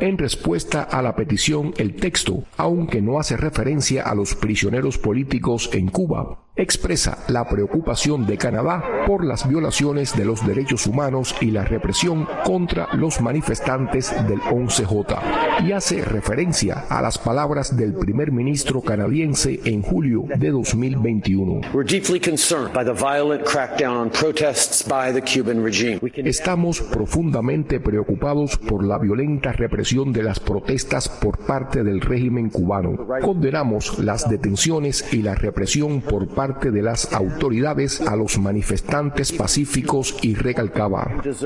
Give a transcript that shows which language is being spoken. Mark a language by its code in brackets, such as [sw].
[es] En respuesta a la petición, el texto, aunque no hace referencia a los prisioneros políticos en Cuba, expresa la preocupación de Canadá por las violaciones de los derechos humanos y la represión contra los manifestantes del 11J y hace referencia a las palabras del primer ministro canadiense en julio de 2021. [en] We're deeply concerned by the violent crackdown on protests by the Cuban regime. [es] Estamos profundamente preocupados por la violenta represión de las protestas por parte del régimen cubano. Condenamos las detenciones y la represión por parte de las autoridades a los manifestantes pacíficos y recalcaba.